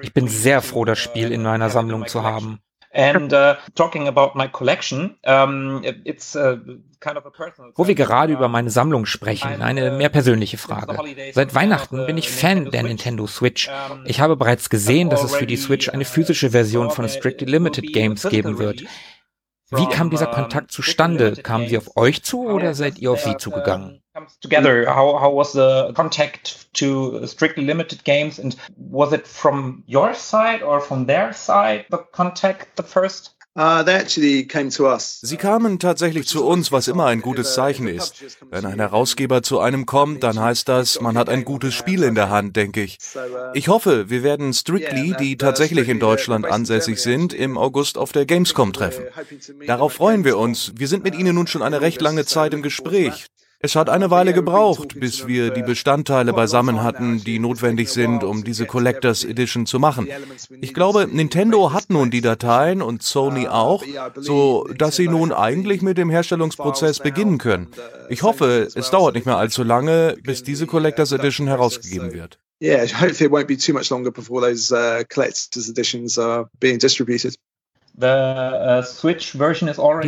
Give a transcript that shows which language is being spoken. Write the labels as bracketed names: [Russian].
[German] Ich bin sehr froh, das Spiel in meiner Sammlung zu haben. [English] And talking about my collection, it's kind of a personal. [German] Wo wir gerade über meine Sammlung sprechen, eine mehr persönliche Frage. Seit Weihnachten bin ich Fan der Nintendo Switch. Ich habe bereits gesehen, dass es für die Switch eine physische Version von Strictly Limited Games geben wird. Wie kam dieser Kontakt zustande? Kamen sie auf euch zu oder seid ihr auf sie zugegangen? [English] Together, how was the contact to Strictly Limited Games, and was it from your side or from their side the contact the first? [German] Sie kamen tatsächlich zu uns, was immer ein gutes Zeichen ist. Wenn ein Herausgeber zu einem kommt, dann heißt das, man hat ein gutes Spiel in der Hand, denke ich. Ich hoffe, wir werden Strictly, die tatsächlich in Deutschland ansässig sind, im August auf der Gamescom treffen. Darauf freuen wir uns. Wir sind mit ihnen nun schon eine recht lange Zeit im Gespräch. Es hat eine Weile gebraucht, bis wir die Bestandteile beisammen hatten, die notwendig sind, um diese Collector's Edition zu machen. Ich glaube, Nintendo hat nun die Dateien und Sony auch, so dass sie nun eigentlich mit dem Herstellungsprozess beginnen können. Ich hoffe, es dauert nicht mehr allzu lange, bis diese Collector's Edition herausgegeben wird. [English] Yeah, hopefully it won't be too much longer before those Collector's Editions are being distributed. The Switch version is already.